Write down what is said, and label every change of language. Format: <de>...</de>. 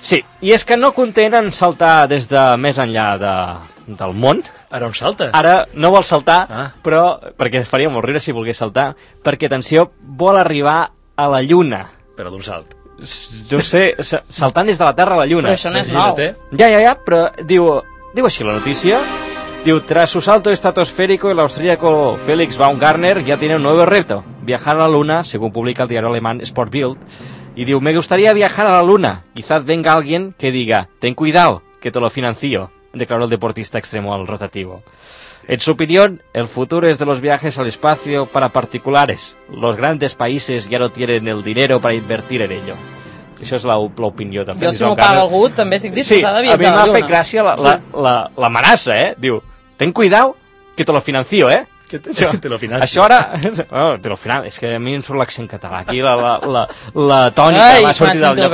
<ca>Sí, i és que no content en saltar des de més enllà del món. Ara on salta? Ara no vol saltar, però perquè es faria molt riure si volgués saltar, perquè, atenció, vol arribar a la Lluna. Però d'un salt. Jo sé, saltant des de la Terra a la Lluna. Però això no és nou. Ja, però diu així la notícia.</ca> <es>Diu, tras su salto estratosférico, el austríaco Félix Baumgartner ya tiene un nuevo reto. Viajar a la Luna, según publica el diario alemán Sport Bild. Y diu, me gustaría viajar a la Luna. Quizás venga alguien que diga, ten cuidado, que te lo financio. Declaró el deportista extremo al rotativo. En su opinión, el futuro es de los viajes al espacio para particulares. Los grandes países ya no tienen el dinero para invertir en ello.</es> <ca>Això és l'opinió de Félix Baumgartner. Jo, si m'ho paga algú, també estic disposada a viatjar a la Lluna. A mi m'ha fet gràcia l'amenaça, eh?</ca> <es>Diu, ten cuidado que te lo financio, eh? Que te lo financio.</es> <ca>Això ara...</ca> <es>Oh, te lo financio.</es> <ca>És que a mi em surt l'accent català. Aquí la tònica m'ha sortit del lloc.</ca>